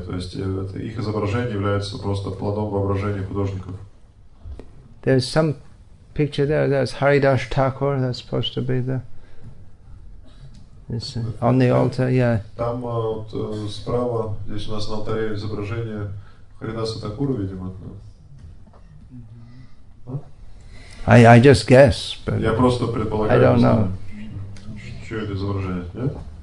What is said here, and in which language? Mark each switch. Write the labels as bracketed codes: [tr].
[ru] То есть их изображения являются просто плодом воображения художников. [en] There's some picture there. That's Haridash Thakur. That's supposed to be the on the altar. Yeah. [ru] Там вот справа здесь у нас на алтаре изображение Харидаса Такура, видимо. [en] I just guess, but [ru] я просто предполагаю, [en] I don't know. [ru] Что это изображение, нет?